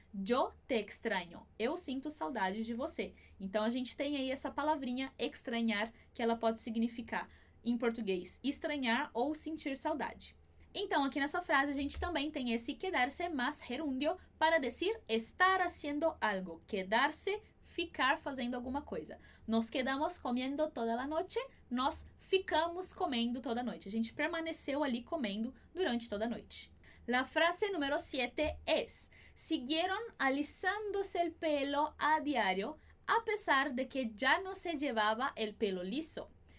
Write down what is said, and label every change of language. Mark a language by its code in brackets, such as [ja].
[es] Yo te extraño, [pt] eu sinto saudades de você. Então a gente tem aí essa palavrinha extrañar, que ela pode significar em português, estranhar ou sentir saudade. Então, aqui nessa frase, a gente também tem esse quedarse mais gerúndio para dizer [es] estar haciendo algo. [pt] Quedarse, ficar fazendo alguma coisa. [es] Nos quedamos comiendo toda la noche. [pt] Nós ficamos comendo toda a noite. A gente permaneceu ali comendo durante toda a noite. [es] La frase número 7 es: siguieron alisándose el pelo a diario a pesar de que ya no se llevaba el pelo liso.